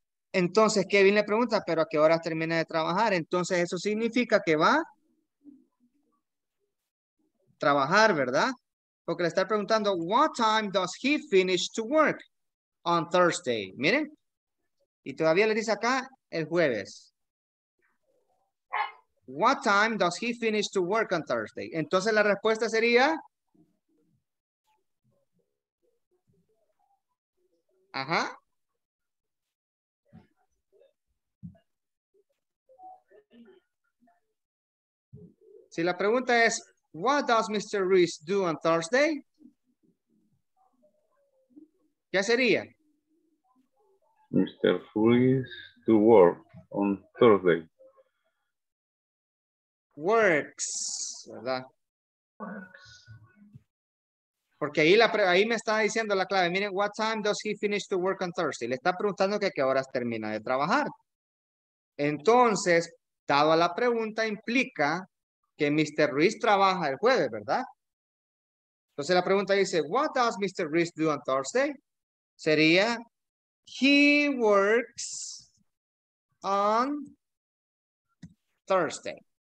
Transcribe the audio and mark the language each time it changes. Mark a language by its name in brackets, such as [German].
[Spanish] Entonces Kevin le pregunta, ¿pero a qué hora termina de trabajar? Entonces eso significa que va a trabajar, ¿verdad? Porque le está preguntando, [English] what time does he finish to work on Thursday? [Spanish] Miren, y todavía le dice acá, el jueves. [English] What time does he finish to work on Thursday? [Spanish] Entonces la respuesta sería, ajá. Si la pregunta es, [English] what does Mr. Reese do on Thursday? [Spanish] ¿Qué sería? [English] Mr. Reese to work on Thursday. Works, ¿verdad? Works. [Spanish] Porque ahí me está diciendo la clave. Miren, [English] what time does he finish to work on Thursday? [Spanish] Le está preguntando que a qué horas termina de trabajar. Entonces, dado a la pregunta, implica que Mr. Ruiz trabaja el jueves, ¿verdad? Entonces la pregunta dice, [English] what does Mr. Ruiz do on Thursday? Sería, he works on Thursday.